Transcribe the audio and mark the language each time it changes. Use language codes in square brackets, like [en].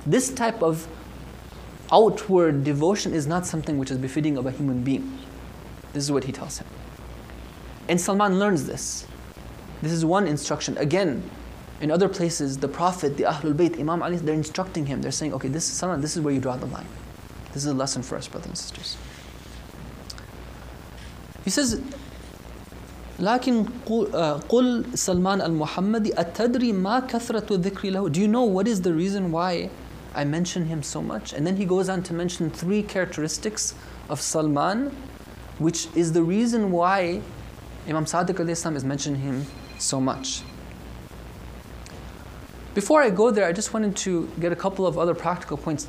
[en] This type of outward devotion is not something which is befitting of a human being. This is what he tells him. And Salman learns this. This is one instruction. Again, in other places, the Prophet, the Ahlul Bayt, Imam Ali, they're instructing him. They're saying, okay, this is Salman, this is where you draw the line. This is a lesson for us, brothers and sisters. He says, [ar] لكن قل سلمان المحمدي أتدري ما كثرة ذكري له. [en] Do you know what is the reason why I mention him so much? And then he goes on to mention three characteristics of Salman, which is the reason why Imam Sadiq alayhi salam is mentioning him so much. Before I go there, I just wanted to get a couple of other practical points.